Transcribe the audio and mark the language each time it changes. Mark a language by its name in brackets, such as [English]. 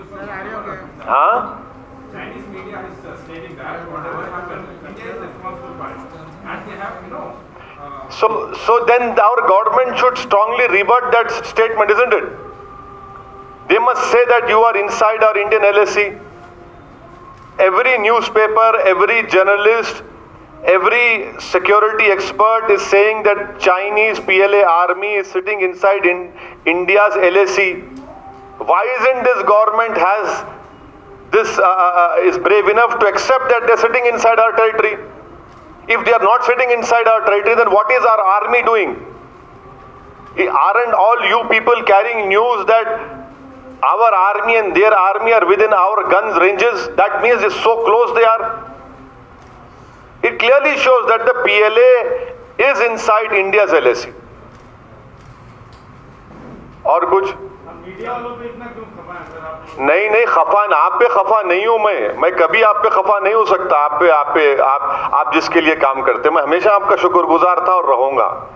[English] हाँ so then our government should strongly revert that statement, isn't it? They must say that you are inside our Indian LAC. Every newspaper, every journalist Every security expert is saying that Chinese PLA army is sitting inside in India's LAC. Why isn't this government has this is brave enough to accept that they're sitting inside our territory? If they are not sitting inside our territory, then what is our army doing? Aren't all you people carrying news that our army and their army are within our guns ranges? That means it's so close they are. It clearly shows that the PLA is inside India's LAC. [Hindi] Aur kuch? नहीं नहीं खफा ना, आप पे खफा नहीं हूं मैं कभी आप पे खफा नहीं हो सकता। आप जिसके लिए काम करते हैं मैं हमेशा आपका शुक्रगुजार था और रहूंगा।